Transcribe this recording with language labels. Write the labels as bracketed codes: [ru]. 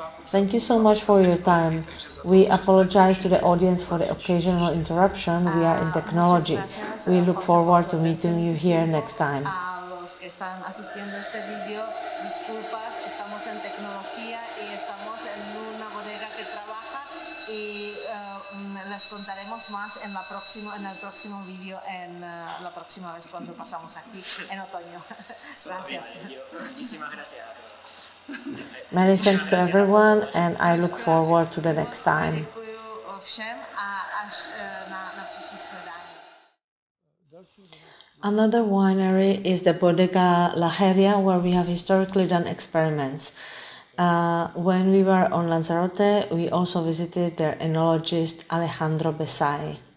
[en] Thank you so much for your time. We apologize to the audience for the occasional interruption. We are in technology. We look forward to meeting you here next time. [es] Que están asistiendo a este video, disculpas, estamos en tecnología y estamos en una bodega que trabaja y les contaremos más en la próxima, en el próximo video, en la próxima vez cuando pasamos aquí en otoño. Gracias. Muchísimas gracias. [en] Many thanks to everyone and I look forward to the next time. [cs] Všem a až na příští snídani. [en] Another winery is the Bodega La Heria, where we have historically done experiments. When we were on Lanzarote, we also visited their enologist Alejandro Besai.